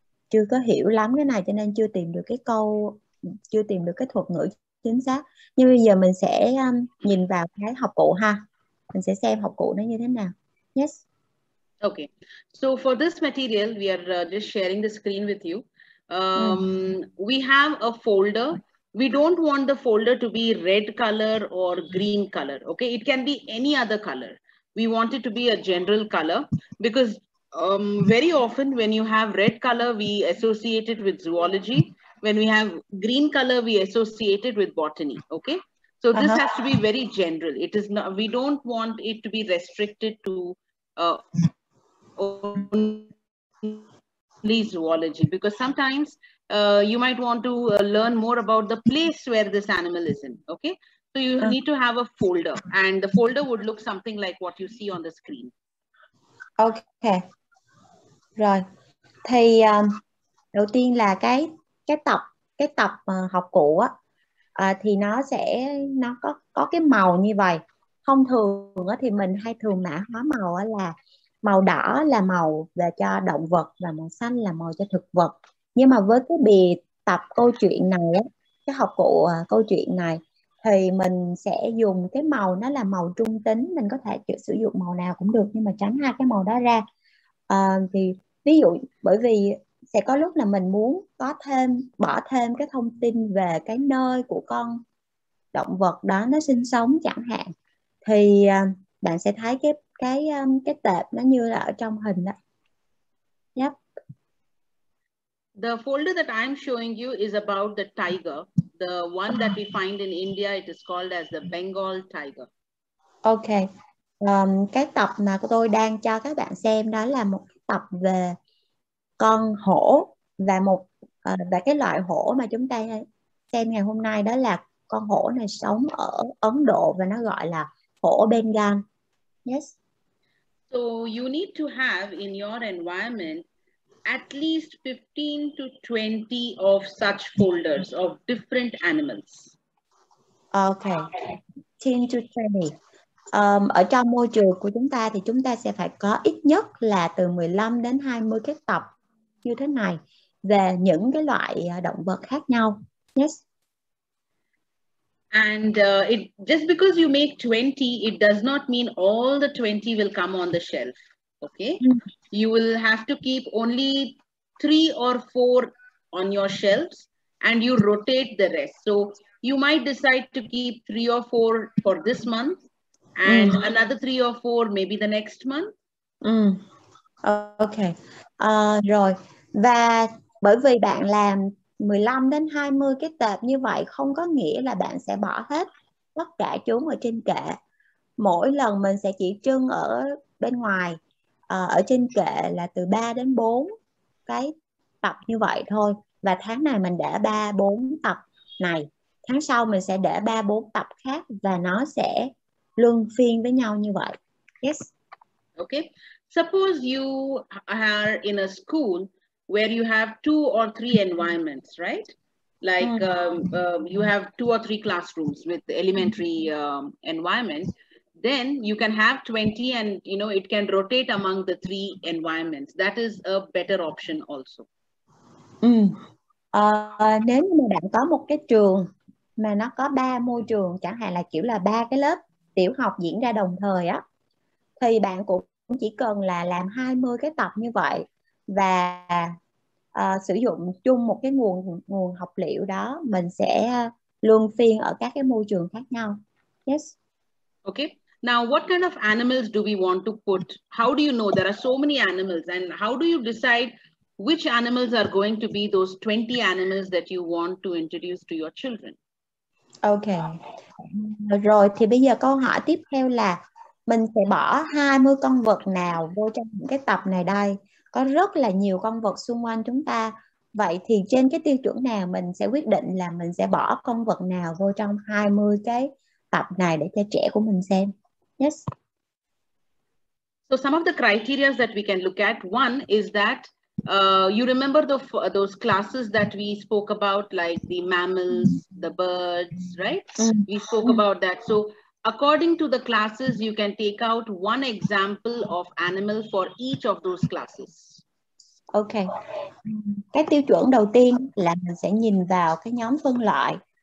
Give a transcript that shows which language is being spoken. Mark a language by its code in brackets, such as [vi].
[vi] Chưa có hiểu lắm cái này cho nên chưa tìm được cái câu, chưa tìm được cái thuật ngữ chính xác. Nhưng bây giờ mình sẽ nhìn vào cái học cụ ha. Mình sẽ xem học cụ nó như thế nào. [en] Yes. Okay. So for this material, we are just sharing the screen with you. We have a folder. We don't want the folder to be red color or green color. Okay. It can be any other color. We want it to be a general color because very often when you have red color, we associate it with zoology. When we have green color, we associate it with botany. Okay. So this has to be very general. It is not, we don't want it to be restricted to only zoology, because sometimes you might want to learn more about the place where this animal is in. Okay, so you need to have a folder, and the folder would look something like what you see on the screen. [vi] Okay, rồi. Thì đầu tiên là cái tập học cụ á, thì nó có cái màu như vậy. Thông thường á thì mình hay thường mã hóa màu á là màu đỏ là màu về cho động vật và màu xanh là màu cho thực vật. Nhưng mà với cái bì tập câu chuyện này, cái học cụ câu chuyện này, thì mình sẽ dùng cái màu nó là màu trung tính. Mình có thể sử dụng màu nào cũng được, nhưng mà tránh hai cái màu đó ra. Thì ví dụ, bởi vì sẽ có lúc là mình muốn có thêm, bỏ thêm cái thông tin về cái nơi của con động vật đó nó sinh sống chẳng hạn. Thì bạn sẽ thấy cái tệp nó như là ở trong hình đó. [en] Yep. The folder that I'm showing you is about the tiger. The one that we find in India, it is called as the Bengal tiger. Okay. [vi] Cái tập mà tôi đang cho các bạn xem đó là một tập về con hổ và và cái loại hổ mà chúng ta xem ngày hôm nay đó là con hổ này sống ở Ấn Độ và nó gọi là hổ Bengal. [en] Yes. So you need to have in your environment at least 15 to 20 of such folders of different animals. Okay. 15 to 20. [vi] Ở trong môi trường của chúng ta thì chúng ta sẽ phải có ít nhất là từ 15 đến 20 cái tập như thế này về những cái loại động vật khác nhau. [en] Yes. And it just because you make 20, it does not mean all the 20 will come on the shelf. Okay. You will have to keep only 3 or 4 on your shelves and you rotate the rest. So you might decide to keep 3 or 4 for this month and another 3 or 4 maybe the next month. [vi] Okay. Rồi. Và bởi vì bạn làm 15 đến 20 cái tệp như vậy không có nghĩa là bạn sẽ bỏ hết tất cả chúng ở trên kệ. Mỗi lần mình sẽ chỉ trưng ở bên ngoài, ở trên kệ là từ 3 đến 4 cái tập như vậy thôi. Và tháng này mình để 3, 4 tập này. Tháng sau mình sẽ để 3, 4 tập khác và nó sẽ luân phiên với nhau như vậy. [en] Yes. Okay. Suppose you are in a school where you have 2 or 3 environments, right? Like you have 2 or 3 classrooms with elementary environment, then you can have 20 and, you know, it can rotate among the 3 environments. That is a better option also. [vi] Nếu mà bạn có một cái trường mà nó có 3 môi trường, chẳng hạn là kiểu là 3 cái lớp tiểu học diễn ra đồng thời á, thì bạn cũng chỉ cần là làm 20 cái tập như vậy và sử dụng chung một cái nguồn nguồn học liệu đó, mình sẽ luân phiên ở các cái môi trường khác nhau. [en] Yes. Okay. Now what kind of animals do we want to put? How do you know there are so many animals and how do you decide which animals are going to be those 20 animals that you want to introduce to your children? Okay. [vi] Rồi thì bây giờ câu hỏi tiếp theo là mình sẽ bỏ 20 con vật nào vô trong cái tập này đây? Có rất là nhiều con vật xung quanh chúng ta. Vậy thì trên cái tiêu chuẩn nào mình sẽ quyết định là mình sẽ bỏ con vật nào vô trong 20 cái tập này để cho trẻ của mình xem? [en] Yes. So some of the criteria that we can look at, one is that you remember those classes that we spoke about, like the mammals, the birds, right? We spoke about that. So according to the classes, you can take out one example of animal for each of those classes. Okay. [vi] Cái tiêu chuẩn đầu tiên là mình sẽ nhìn vào cái nhóm phân loại.